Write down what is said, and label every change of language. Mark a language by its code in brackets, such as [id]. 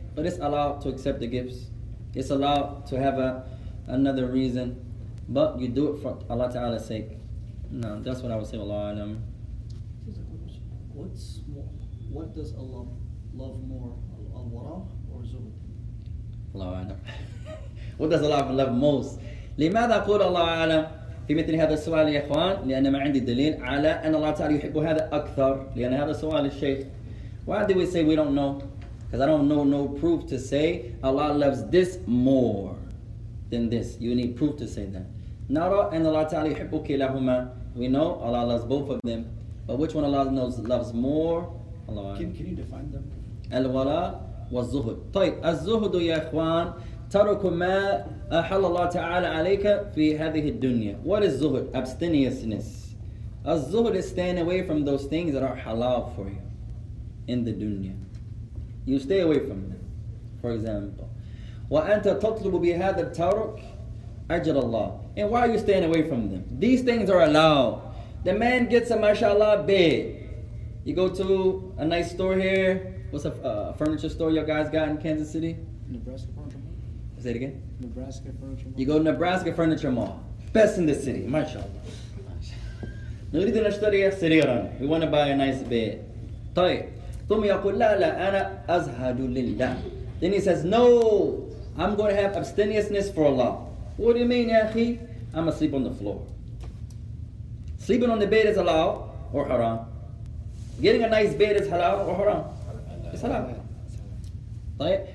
[en] But it's allowed to accept the gifts. It's allowed to have another reason. But you do it for Allah Ta'ala's sake. No, that's what I would say, Allah Alam. What's what does Allah love more, al-wara or zuhd? Allah Alam. What does Allah love most? [ar] لماذا قول الله عالم في مثل هذا السؤال يا إخوان؟ لأن ما عندي دليل على أن الله تعالى يحب هذا أكثر. [en] لأن هذا سؤال الشيخ. Why do we say we don't know? Because I don't know no proof to say Allah loves this more than this. You need proof to say that. نرى أن الله تعالى يحب كلاهما. We know Allah loves both of them. But which one Allah knows loves more? Allah. Can you define them? Al-wala wa al-zuhud. [ar] طيب الزهد يا إخوان ترك ما أحل الله تعالى عليك في هذه الدنيا. [en] What is zuhud? Abstemiousness. Al-zuhud is staying away from those things that are halal for you in the dunya. You stay away from them. [ar] For example, وأنت تطلب بهذا الترك أجر الله. [en] And why are you staying away from them? These things are allowed. The man gets a mashallah bed. You go to a nice store here. What's a furniture store you guys got in Kansas City? Nebraska Furniture Mall. Say it again. Nebraska Furniture Mall. You go to Nebraska Furniture Mall. Best in the city, mashallah. نريد أن نشتري سريرا. We want to buy a nice bed. طيب. [ar] ثم يقول لا لا أنا أزهد لله. [en] Then he says, no, I'm going to have abstemiousness for Allah. What do you mean, ya akhi? I'm going to sleep on the floor. Sleeping on the bed is halal or haram? Getting a nice bed is halal or haram? It's halal. طيب.